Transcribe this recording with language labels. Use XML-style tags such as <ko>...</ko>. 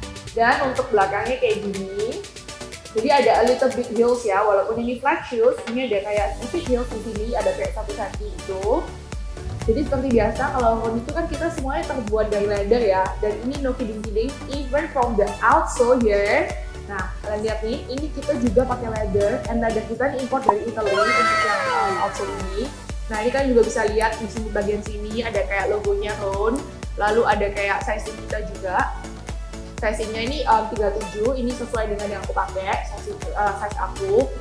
<id>Dan untuk belakangnya kayak gini. Jadi ada</id> <en>a little bit heels</en> <id>ya, walaupun ini flat shoes, ini ada kayak sedikit heels di sini, ada kayak satu kaki itu. Jadi seperti biasa, kalau mau itu kan kita semuanya terbuat dari leather ya. Dan ini</id> <en>no kidding-kidding, even from the outsole here.</en> <id>Nah, kalian lihat nih, ini kita juga pakai leather. And leather kita ini import dari Italy untuk yang outsole ini. Nah, ini kan juga bisa lihat di sini bagian sini ada kayak logonya Roan. Lalu ada kayak sizing kita juga. Sizingnya ini 37, ini sesuai dengan yang aku pakai, size aku.</id>